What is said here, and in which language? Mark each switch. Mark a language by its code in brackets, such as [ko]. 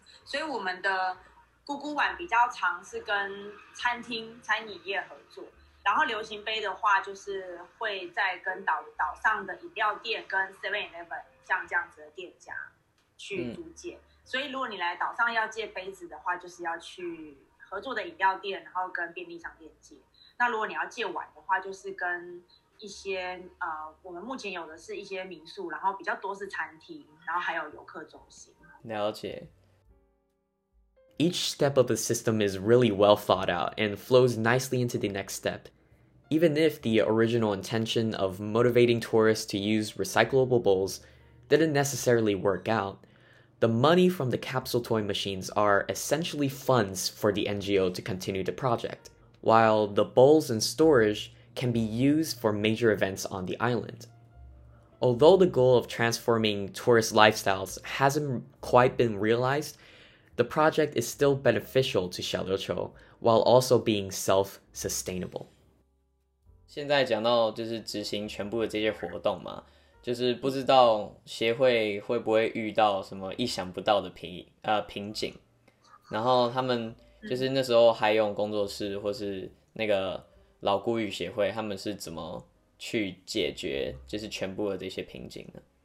[zh] 所以我们的咕咕碗比较常是跟餐厅餐饮业合作，然后流行杯的话就是会在跟 岛上的饮料店跟 7-11 像这样子的店家去租借，嗯，所以如果你来岛上要借杯子的话，就是要去合作的饮料店然后跟便利商店借，那如果你要借碗的话就是跟一些我们目前有的是一些民宿，然后比较多是餐厅，然后还有游客中心。了解。 [en] Each step of the system is really well thought out and flows nicely into the next step. Even if the original intention of motivating tourists to use recyclable bowls didn't necessarily work out, the money from the capsule toy machines are essentially funds for the NGO to continue the project, while the bowls and storage can be used for major events on the island. Although the goal of transforming tourist lifestyles hasn't quite been realized,The project is still beneficial to 小琉球 while also being self-sustainable. [zh] 现在讲到就是执行全部的这些活动嘛，就是不知道协会会不会遇到什么意想不到的瓶颈，然后他们就是那时候海泳工作室或是那个老姑屿协会，他们是怎么去解决就是全部的这些瓶颈呢？